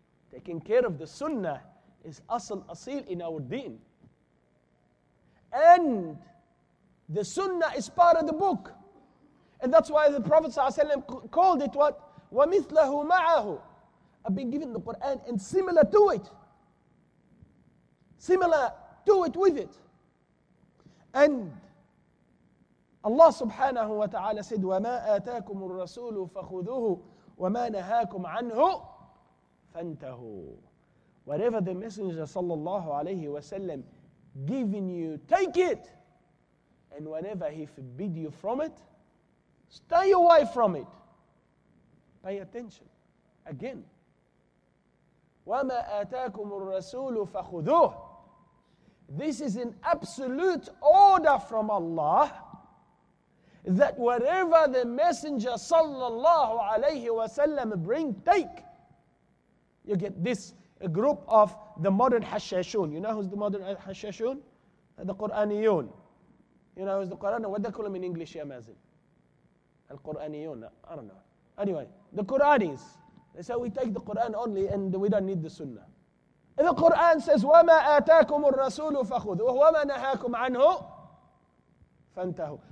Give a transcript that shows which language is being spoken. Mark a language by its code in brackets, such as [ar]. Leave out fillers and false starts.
[en] Taking care of the Sunnah is asal asil in our deen. And the Sunnah is part of the book. And that's why the Prophet ﷺ called it what? [ar] وَمِثْلَهُ مَعَهُ. [en] I've been given the Quran and similar to it. Similar to it with it. And Allah subhanahu wa ta'ala said, [ar] وَمَا آتَاكُمُ الرَّسُولُ فَخُذُوهُ وَمَا نَهَاكُمْ عَنْهُ فَانْتَهُ. [en] Whatever the Messenger sallallahu alayhi wa sallam giving you, take it. And whenever he forbid you from it, stay away from it. Pay attention. Again. [ar] وَمَا آتَاكُمُ الرَّسُولُ فَخُذُوهُ. [en] This is an absolute order from Allah. that whatever the messenger sallallahu alayhi wasallam bring, take. You get this group of the modern hashashun. You know who's the modern hashashun? The Quraniyun. You know who's the Quran? What do they call them in English, ya Mazin? Al Quraniyun. I don't know. Anyway, the Quranis. They say we take the Quran only and we don't need the Sunnah. The Quran says, [ar] وَمَا آتَاكُمُ الرَّسُولُ فَخُذُوا وَمَا نَهَاكُمْ عَنْهُ فَانْتَهُ.